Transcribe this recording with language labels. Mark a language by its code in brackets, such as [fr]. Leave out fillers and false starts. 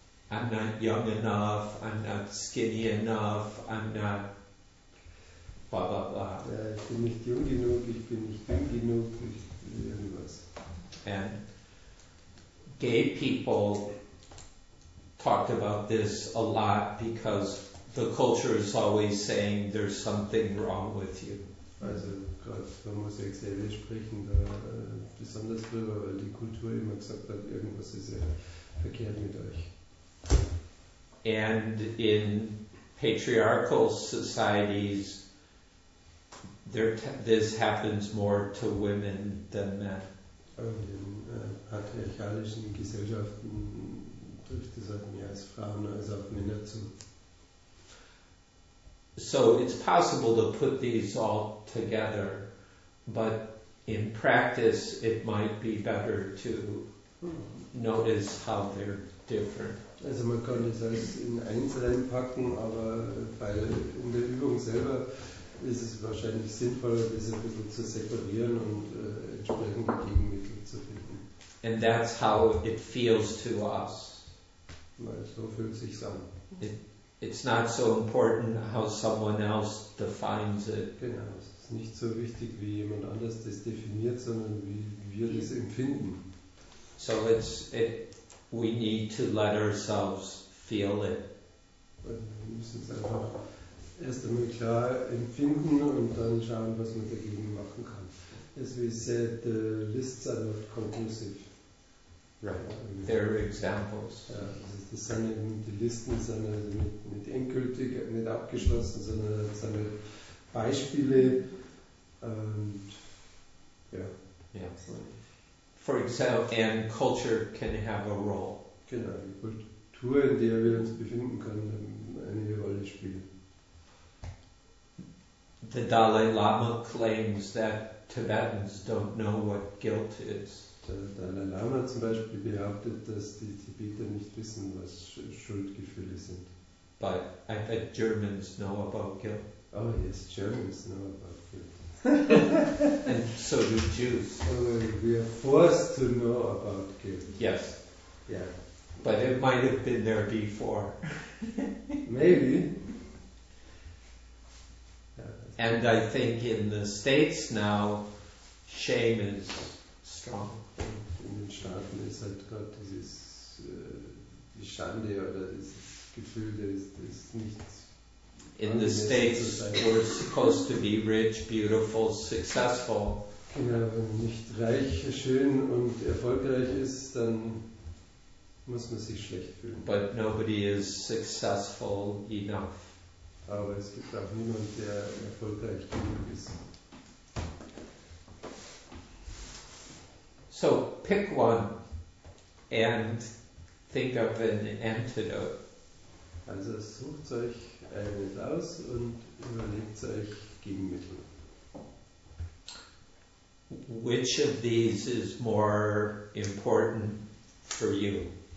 [en] I'm not young enough, I'm not skinny enough, I'm not blah blah blah. [de] Ja, ich bin nicht jung genug, ich bin nicht dünn genug, ich bin irgendwas. [en] And gay people talk about this a lot because the culture is always saying there's something wrong with you. [de] Also gerade Homosexuelle sprechen da besonders drüber, weil die Kultur immer gesagt hat, irgendwas ist ja verkehrt mit euch. [en] And in patriarchal societies, this happens more to women than men. [de] Und in patriarchalischen Gesellschaften trifft es halt mehr als Frauen als auf Männer zu. [en] So it's possible to put these all together, but in practice it might be better to notice how they're different. [de] Also man kann das alles in eins reinpacken, aber weil in der Übung selber ist es wahrscheinlich sinnvoller, das ein bisschen zu separieren und entsprechende Gegenmittel zu finden. [en] And that's how it feels to us. [de] Weil so fühlt sich's an. [en] It it's not so important how someone else defines it. [de] Genau, es ist nicht so wichtig, wie jemand anders das definiert, sondern wie wir das empfinden. [en] So we need to let ourselves feel it. [de] Wir müssen es einfach erst einmal klar empfinden und dann schauen, was man dagegen machen kann. [en] As we said, the lists are not conclusive. Right. There are examples. [de] Das sind eben die Listen, sind nicht endgültig, nicht abgeschlossen, sondern sind Beispiele. Und ja. [en] Yeah. For example, and culture can have a role. [de] Genau, die Kultur, in der wir uns befinden, kann eine Rolle spielen. [en] The Dalai Lama claims that Tibetans don't know what guilt is. [de] Der Dalai Lama zum Beispiel behauptet, dass die Tibeter nicht wissen, was Schuldgefühle sind. [en] But I bet Germans know about guilt. Oh yes, Germans know about guilt. And so do Jews. We are forced to know about guilt. Yes. Yeah. But it might have been there before. Maybe. And I think in the States now, shame is strong. [de] In den Staaten ist halt gerade dieses die Schande oder dieses Gefühl, das nicht. [en] In the States, we're supposed to be rich, beautiful, successful. [de] Genau, wenn man nicht reich, schön und erfolgreich ist, dann muss man sich schlecht fühlen. [en] But nobody is successful enough. [de] Aber es gibt auch niemand, der erfolgreich genug ist. [en] So, pick one and think of an antidote. [de] Also sucht euch eines aus und überlegt euch Gegenmittel. [en] Which of these is more important for you?